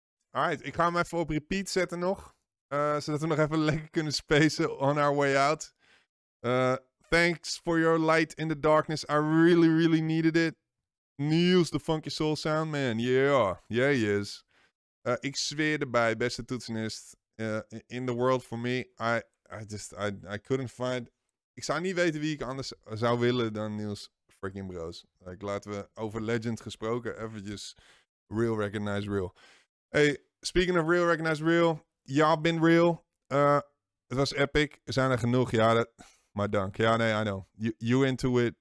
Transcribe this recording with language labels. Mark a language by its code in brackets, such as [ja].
[nl] Alright, ik ga hem even op repeat zetten nog. Zodat we nog even lekker kunnen spacen [en] on our way out. Thanks for your light in the darkness. I really, really needed it. Niels, the funky soul sound man. Yeah, yeah he is. [nl] Ik zweer erbij, beste toetsenist. [en] In the world for me, I couldn't find... [nl] Ik zou niet weten wie ik anders zou willen dan Niels freaking Broos. Like, laten we over legend gesproken eventjes [en] real recognize real. Hey, speaking of real recognize real. Y'all been real. [nl] Het was epic. Er zijn er genoeg. Ja, dat, maar dank. Ja, nee, [en] I know. You into it.